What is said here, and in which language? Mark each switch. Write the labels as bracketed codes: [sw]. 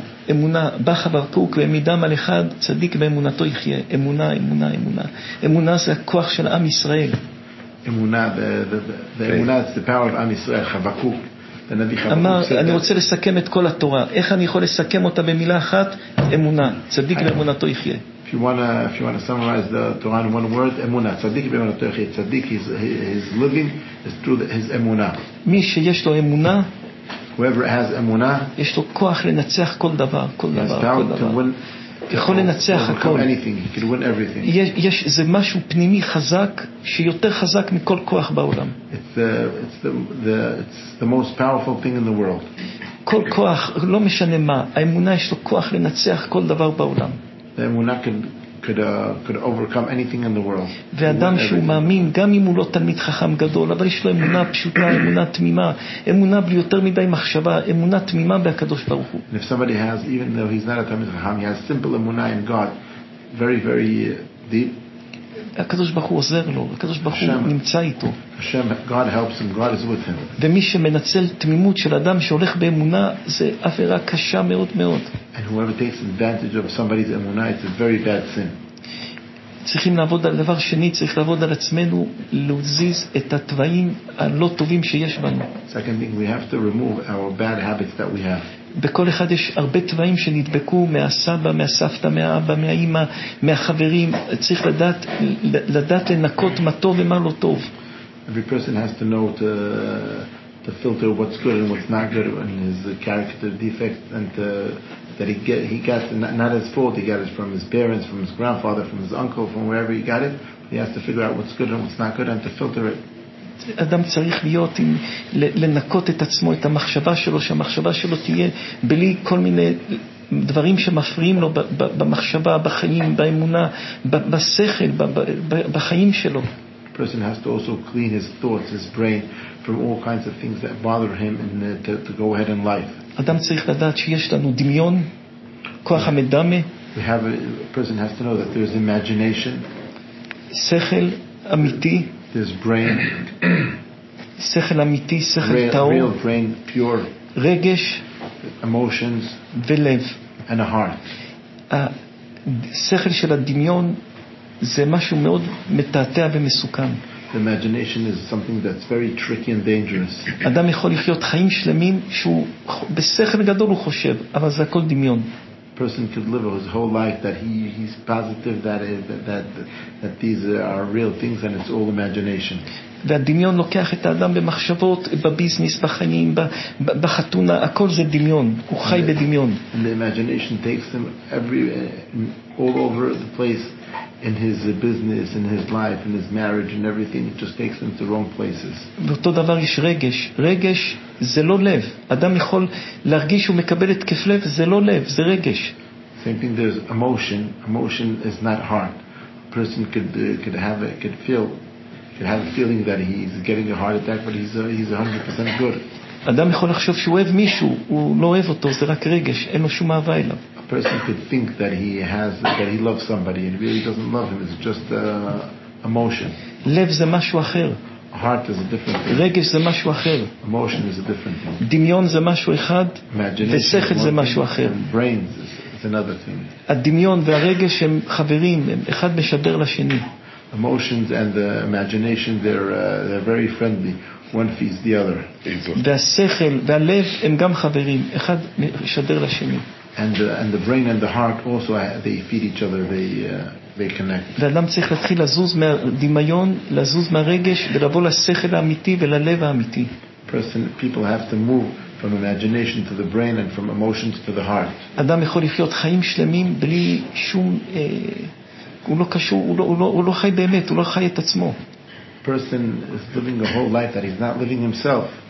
[he] אמונה, בחר ברקוק, ועמידם על אחד, צדיק באמונתו יחיה. אמונה. אמונה זה הכוח של עם ישראל. [en] אמונה, the אמונה is the power of עם ישראל, חבקוק. [he] אמר, אני רוצה לסכם את כל התורה. איך אני יכול לסכם אותה במילה אחת? אמונה. צדיק באמונתו יחיה. [en] If you want to summarize the Torah in one word, אמונה. [he] צדיק באמונתו יחיה. [en] צדיק is living is through his אמונה. [he] מי שיש לו אמונה, [en] whoever has אמונה, [he] יש לו כוח לנצח כל דבר, כל דבר, כל דבר. יכול לנצח הכל. יש זה משהו פנימי חזק שיותר חזק מכל כוח בעולם. [en] It's the most powerful thing in the world. [he] כל כוח, לא משנה מה, האמונה יש לו כוח לנצח כל דבר בעולם. [en] האמונה could overcome anything in the world. [he] ואדם שהוא מאמין, גם אם הוא לא תלמיד חכם גדול, אבל יש לו אמונה פשוטה, אמונה תמימה, אמונה בלי יותר מדי מחשבה, אמונה תמימה בקדוש ברוך הוא. [en] If somebody has, even though he's not a תלמיד חכם, he has simple אמונה in God, very very deep. [he] הקדוש ברוך הוא עוזר לו, הקדוש ברוך הוא נמצא איתו. [en] Hashem, God helps him, God is with him. [he] ומי שמנצל תמימות של אדם שהולך באמונה, זה עבירה קשה מאוד מאוד. [en] And whoever takes advantage of somebody's אמונה, it's a very bad sin. [he] צריכים לעבוד על דבר שני, צריך לעבוד על עצמנו, להזיז את התוואים הלא טובים שיש בנו. [en] Second thing, we have to remove our bad habits that we have. [he] בכל אחד יש הרבה תוואים שנדבקו מהסבא, מהסבתא, מהאבא, מהאימא, מהחברים. צריך לדעת לנקות מה טוב ומה לא טוב. [en] Every person has to know to filter what's good and what's not good and his character defects and that he got not his fault, he got it from his parents, from his grandfather, from his uncle, from wherever he got it. He has to figure out what's good and what's not good and to filter it. [he] אדם צריך להיות לנקות את עצמו, את המחשבה שלו, שהמחשבה שלו תהיה בלי כל מיני דברים שמפריעים לו במחשבה, בחיים, באמונה, בשכל, בחיים שלו. [en] person has to also clean his thoughts, his brain, from all kinds of things that bother him and to go ahead in life. [he] אדם צריך לדעת שיש לנו דמיון, כוח המדמה. [en] We have a person has to know that there's imagination. [he] שכל אמיתי. [en] There's brain. [he] שכל אמיתי, שכל טהור. [en] Real brain, pure. [he] רגש. [en] Emotions. [he] ולב. [en] And a heart. [he] שכל של הדמיון זה משהו מאוד מתעתע ומסוכן. [en] The imagination is something that's very tricky and dangerous. [he] אדם יכול לחיות חיים שלמים שהוא בשכל גדול הוא חושב, אבל זה הכל דמיון. [en] Person could live his whole life that he's positive that is that these are real things and it's all imagination. [he] והדמיון לוקח את האדם במחשבות, בביזנס, בחיים, בחתונה, הכל זה דמיון, הוא חי בדמיון. [en] And the imagination takes him every all over the place. In his business, in his life, in his marriage, and everything, it just takes him to wrong places. [he] באותו דבר יש רגש. רגש זה לא לב. אדם יכול להרגיש שהוא מקבל התקף לב, זה לא לב, זה רגש. [en] Same thing, there's emotion. Emotion is not heart. A person could have a feeling that he's getting a heart attack, but he's 100% good. [he] אדם יכול לחשוב שהוא אוהב מישהו, הוא לא אוהב אותו, זה רק רגש, אין לו שום אהבה אליו. [en] A person could think that he loves somebody and really doesn't love him. It's just emotion. [he] לב זה משהו אחר. [en] Heart is a different thing. [he] רגש זה משהו אחר. [en] Emotion is a different thing. [he] דמיון זה משהו אחד. ושכל זה משהו אחר. [en] Brains is another thing. [he] הדמיון והרגש הם חברים, הם אחד משדר לשני. [en] Emotions and the imagination, they're very friendly. One feeds the other. [he] והשכל והלב הם גם חברים, אחד משדר לשני. [en] And the brain and the heart also they feed each other, they connect. [he] ואדם צריך להתחיל לזוז מהדמיון, לזוז מהרגש, ולבוא לשכל האמיתי וללב האמיתי. [en] People have to move from imagination to the brain and from emotions to the heart. [he] אדם יכול לחיות חיים שלמים בלי שום הוא לא חי באמת, הוא לא חי את עצמו. [en] Person is living a whole life that he's not living himself.